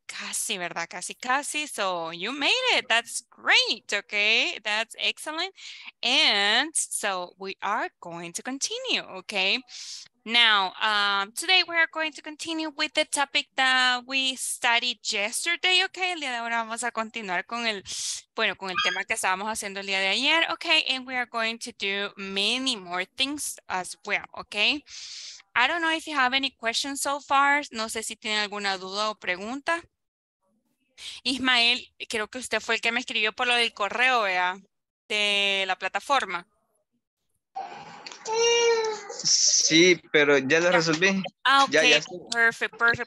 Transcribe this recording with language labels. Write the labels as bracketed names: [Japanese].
[Spanish] Casi, ¿verdad? Casi, casi. [English] So you made it. That's great. Okay, that's excellent. And so we are going to continue. Okay. Now, today we are going to continue with the topic that we studied yesterday, okay? [Spanish] El día de ahora vamos a continuar con el, bueno, con el tema que estábamos haciendo el día de ayer, okay? [English] And we are going to do many more things as well, okay? I don't know if you have any questions so far. [Spanish] No sé si tienen alguna duda o pregunta. Ismael, creo que usted fue el que me escribió por lo del correo, ¿verdad? De la plataforma. Sí, pero ya lo resolví. Ah, ok, ya. Perfecto, perfecto.